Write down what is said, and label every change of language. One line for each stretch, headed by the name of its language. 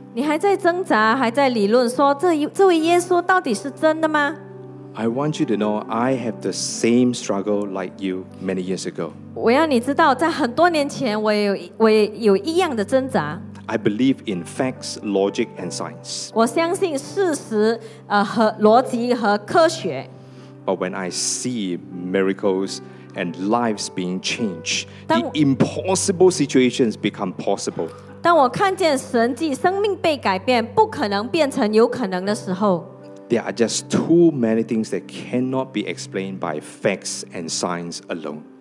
Chinese: 你还在挣扎，还在理论说这位耶稣到底是真的吗？
English: I want you to know I have the same struggle like you many years ago.
Chinese: 我要你知道，在很多年前，我有一样的挣扎。
English: I believe in facts, logic, and science.
Chinese: 我相信事实，和逻辑和科学。
English: But when I see miracles and lives being changed, the impossible situations become possible.
Chinese: 当我看见神迹，生命被改变，不可能变成有可能的时候。
English: There are just too many things that cannot be explained by facts and science alone.